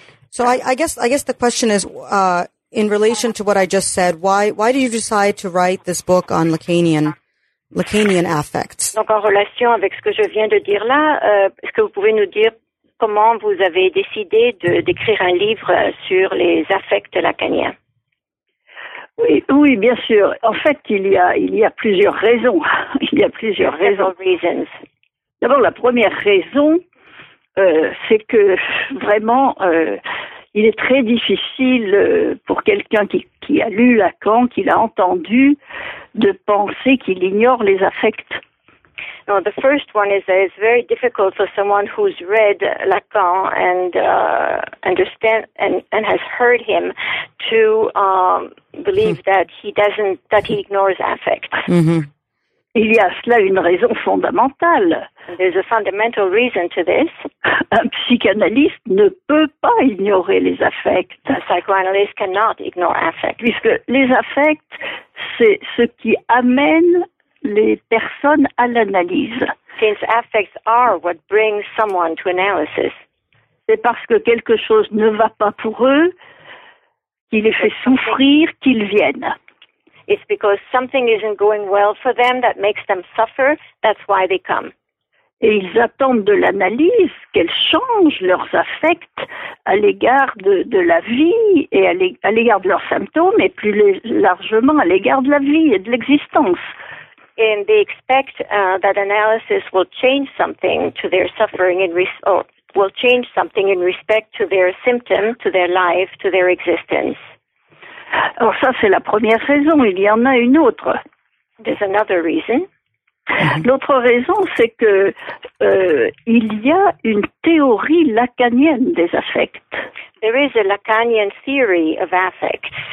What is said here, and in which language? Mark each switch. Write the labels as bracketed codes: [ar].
[en] So I guess the question is, in relation to what I just said, why did you decide to write this book on Lacanian affects? [fr] Donc en relation avec ce que je viens de dire là, est-ce que vous pouvez nous dire comment vous avez décidé de d'écrire un livre sur les affects lacaniens? Oui, bien sûr. En fait, il y a plusieurs raisons. Il y a plusieurs raisons. D'abord, la première raison, c'est que vraiment, il est très difficile pour quelqu'un qui a lu Lacan, qui l'a entendu, de penser qu'il ignore les affects. [en] Now, the first one is that it's very difficult for someone who's read Lacan and understand and has heard him to believe that he ignores affects. Mm-hmm. [fr] Il y a cela une raison fondamentale. [en] There's a fundamental reason to this. [fr] Un psychanalyste ne peut pas ignorer les affects. [en] A psychoanalyst cannot ignore affects. [fr] Puisque les affects, c'est ce qui amène les personnes à l'analyse. [en] Since affects are what brings someone to analysis. [fr] C'est parce que quelque chose ne va pas pour eux, qui les fait souffrir, qu'ils viennent. [en] It's because something isn't going well for them that makes them suffer, that's why they come. [fr] Et ils attendent de l'analyse qu'elle change leurs affects à l'égard de la vie et à l'égard de leurs symptômes et plus largement à l'égard de la vie et de l'existence. [en] And they expect that analysis will change something to their suffering will change something in respect to their symptoms, to their life, to their existence. [fr] Alors ça, c'est la première raison. Il y en a une autre. [en] There's another reason. [fr] L'autre raison, c'est que il y a une théorie lacanienne des affects. [en] There is a Lacanian theory of affects.